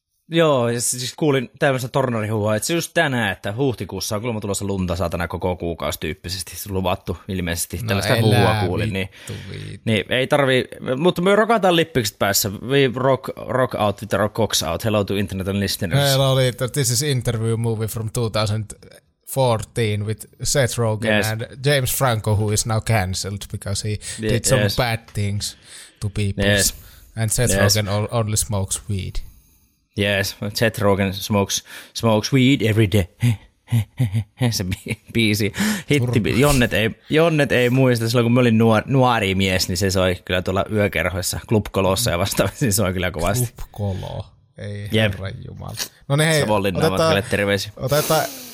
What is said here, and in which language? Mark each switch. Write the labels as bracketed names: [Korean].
[Finnish] Joo, siis kuulin tämmöistä tornarihuhua, että se just tänään, että huhtikuussa on kyllä tulossa lunta saatana koko kuukausi tyyppisesti, luvattu ilmeisesti, no tällaista huhua kuulin, niin ei tarvii, mutta me rokataan lippikset päässä, [English] we rock out with the rock cocks out, hello to internet and listeners. [Finnish] Meillä oli, [English] this is interview movie from 2014 with Seth Rogen and James Franco, who is now cancelled because he did some bad things to people, and Seth Rogen only smokes weed. Yes, Seth Rogen smokes weed every day. [Finnish] Se biisi, hitti, Jonnet ei muista, silloin kun mä olin nuori mies, niin se soi kyllä tuolla yökerhoissa, klubkolossa ja vastaavasti, niin se soi kyllä kovasti. Klubkolo, ei herran jumala. No niin hei, otetaan